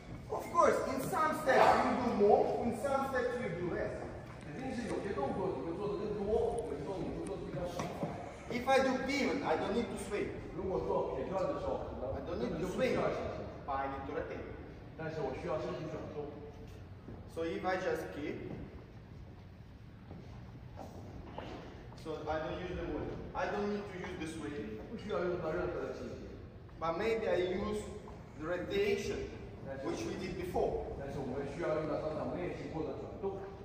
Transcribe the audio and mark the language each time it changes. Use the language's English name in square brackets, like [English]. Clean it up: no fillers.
[English] Of course, in some steps you do more, in some steps you do less. [Chinese] 肯定是有些动作你会做得更多，有些动作你会做得比较少。 [English] If I do beam, I don't need to swing. [Chinese] 如果做铁跳的时候， [English] I don't need to swing. But I need to rotate. [Chinese] 但是我需要身体转动。 [English] So if I just keep. So I don't use the weight. I don't need to use this weight. [Chinese] 不需要用到任何的器械。 [English] But maybe I use the rotation, which we did before. [Chinese] 但是我们需要用到刚才我们练习过的转动。